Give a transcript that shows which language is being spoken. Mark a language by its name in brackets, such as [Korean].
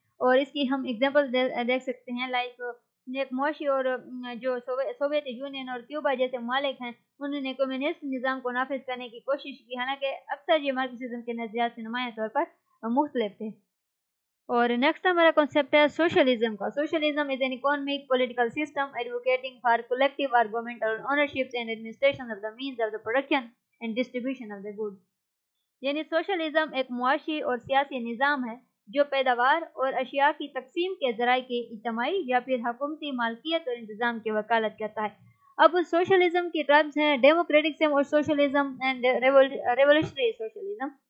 [Urdu] اور اس کی ہم اگزامپل دیکھ سکتے ہیں, لائک نیک معاشی اور جو سوویت یونین اور کیوبا جیسے ممالک ہیں انہوں نے کمیونسٹ نظام کو نافذ کرنے کی کوشش کی, حالانکہ اکثر یہ مارکسزم کے نظریات سے نمایاں طور پر مختلف تھے. اور نیکسٹ ہمارا کانسیپٹ ہے سوشلزم کا. [English] Socialism is an economic political system advocating for collective argument or ownership and administration of the means of the production and distribution of the good. [Urdu] یعنی سوشلزم ایک معاشی اور سیاسی نظام ہے جو پیداوار اور اشیاء کی تقسیم کے ذرائع کی اجتماعی یا پھر حکومتی مالکیت اور انتظام کی وکالت کرتا ہے. اب سوشلزم کی ٹرمز ہیں ڈیموکریٹکزم اور سوشلزم اینڈ ریولیوشنری سوشلزم.